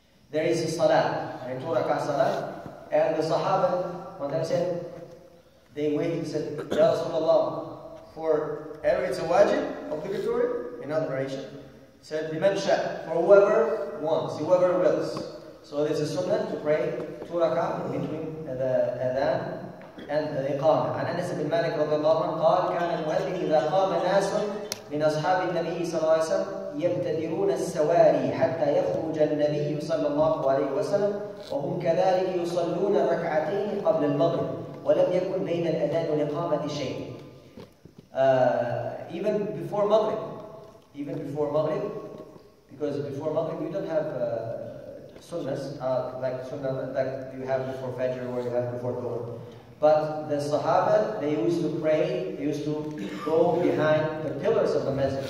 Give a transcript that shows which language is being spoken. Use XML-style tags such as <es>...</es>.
<en>there is a salah, and two rak'ah salah. And the Sahaba, when they said, they waited and said, Ya Rasulullah, for every it's a wajib, obligatory, in other narration, said,</en> <ar>Liman sha,</ar> <en>for whoever wants, whoever wills. So there's a sunnah to pray two rak'ah in between the adhan and the iqamah.</en> <ar>And Anas ibn Malik radiallahu anhu قال كان المؤذن إذا قام ناس من أصحاب النبي صلى الله عليه وسلم يبتدرون السواري حتى يخرج النبي صلى الله عليه وسلم وهم كذلك يصلون ركعتين قبل المغرب ولم يكن بين الأذان والإقامة شيء.</ar> <en>Even before Maghrib, even before Maghrib, because before Maghrib you don't have sunnahs like sunnah that you have before Fajr or you have before Dhuhr. But the Sahaba, they used to pray, they used to go behind the pillars of the masjid.</en>